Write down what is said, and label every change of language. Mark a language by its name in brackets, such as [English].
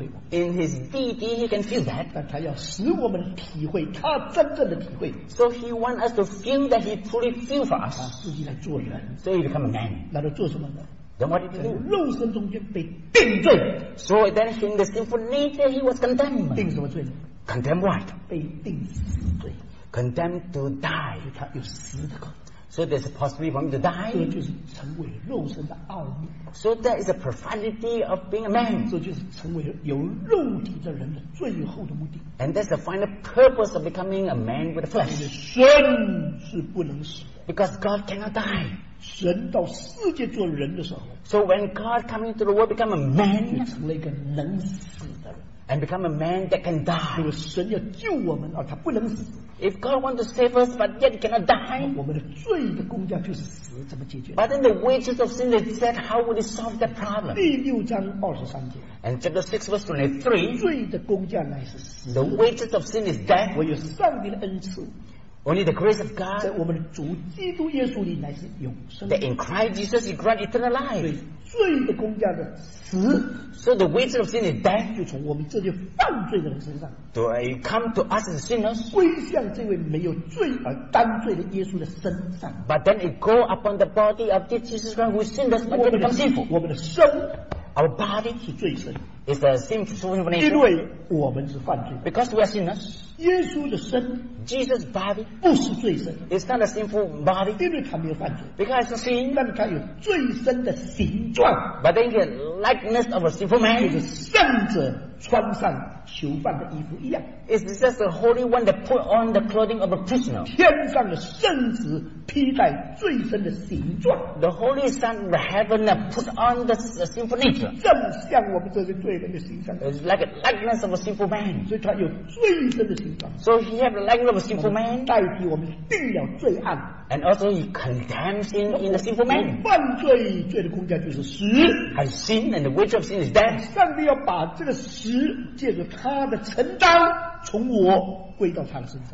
[English] In his deity, he can feel that. [Chinese] 但他要使我们体会他真正的体会。 [English] So he wants us to feel that he truly feels for us. [Chinese] 他自己来做人。 [English] So he becomes a man. [Chinese] 那他做什么呢？ [English] Then what did he do? [Chinese] 在肉身中间被定罪。 [English] So then in the sinful nature, he was condemned. [Chinese] 定什么罪？ [English] Condemned what? [Chinese] 被定死罪。 [English] Condemned to die. [Chinese] 所以他有死的可能。 [English] So there's a possibility for him to die. [Chinese] 这就是成为肉身的奥秘。 [English] So that is a profundity of being a man. [Chinese] 这就是成为有肉体的人的最后的目的。 [English] And that's the final purpose of becoming a man with a flesh. [Chinese] 神是不能死。 [English] Because God cannot die. [Chinese] 神到世界做人的时候。 [English] So when God comes into the world become a man. [Chinese] 就成了一个能死的人。 [English] And become a man that can die. [Chinese] 如果神要救我们，而他不能死。 [English] If God wants to save us, but yet cannot die, [Chinese] 我们的罪的工价就是死，怎么解决？ [English] But then the wages of sin is death. How would it solve that problem? [Chinese] 第六章二十三节。 [English] And chapter 6 verse 23. [Chinese] 罪的工价乃是死。 [English] The wages of sin is death. [Chinese] 唯有上帝的恩赐。 [English] Only the grace of God. [Chinese] 在我们的主基督耶稣里乃是永生。 [English] That in Christ Jesus He grant eternal life. [Chinese] 罪的工价的死。 [English] So the wages of sin is death. [Chinese] 就从我们这些犯罪的人身上。 [English] To come to us as sinners. [Chinese] 归向这位没有罪而担罪的耶稣的身上。 [English] But then it go upon the body of this Jesus Christ who is sinless but yet become sinful. [Chinese] 我们的身。 [English] Our body [Chinese] 是罪身。 [English] Is a sinful nature. [Chinese] 因为我们是犯罪。 [English] Because we are sinners. [Chinese] 耶稣的身。 [English] Jesus' body. [Chinese] 不是罪身。 [English] It's not a sinful body. [Chinese] 因为他没有犯罪。 [English] Because it's a sin. [Chinese] 但他有罪身的形状。 [English] But then the likeness of a sinful man. [Chinese] 就是圣者穿上囚犯的衣服一样。 [English] It's just the Holy One that put on the clothing of a prisoner. [Chinese] 天上的圣子披戴罪身的形状。 [English] The Holy Son of heaven that put on the sinful nature. [Chinese] 正像我们这些罪人的形象。 [English] It's like a likeness of a sinful man. [Chinese] 所以他有罪身的形状。 [English] So he has the likeness of a sinful man. [Chinese] 代替我们定了罪案。 [English] And also he condemns him in the sinful man. [Chinese] 犯罪，罪的工价就是死。 [English] And sin and the wage of sin is death. [Chinese] 上帝要把这个死借着他的承担从我归到他的身上。